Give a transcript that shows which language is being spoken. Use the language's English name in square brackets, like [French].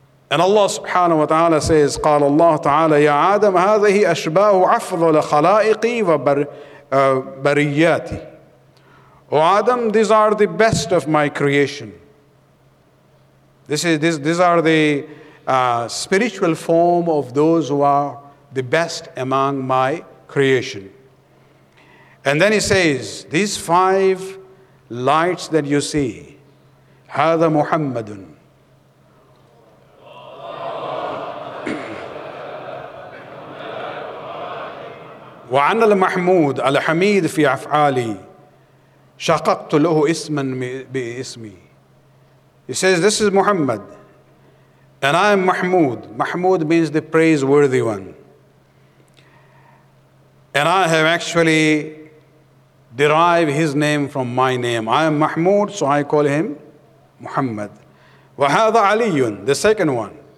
[English] And Allah subhanahu wa ta'ala says, [Arabic] قال الله تعالى يا آدم هذه أشباه أفضل خلائقي وبرياتي. [English] O Adam, these are the best of my creation. These are the spiritual form of those who are the best among my creation. And then he says, these five lights that you see, [Arabic] هذا محمد. وعن المحمود الحميد في أفعالي شققت له اسما باسمي. [English] He says, this is Muhammad, and I am Mahmood. Mahmood means the praiseworthy one. And I have actually derived his name from my name. I am Mahmood, so I call him Muhammad. [Arabic] وهذا علي, [English] the second one.